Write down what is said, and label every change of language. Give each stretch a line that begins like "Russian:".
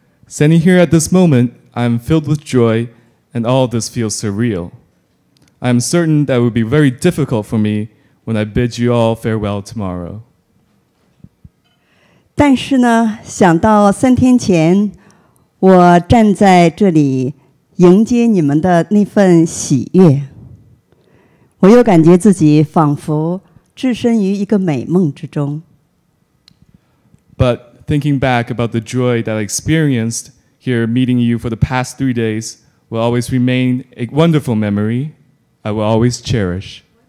English: Standing here at this moment, I am filled with joy, and all of this feels surreal. I am certain that it will be very difficult for me when I bid you all farewell tomorrow.
Chinese: 但是呢，想到三天前我站在这里迎接你们的那份喜悦，我又感觉自己仿佛
English: But thinking back about the joy that I experienced here meeting you for the past 3 days will always remain a wonderful memory I will always cherish.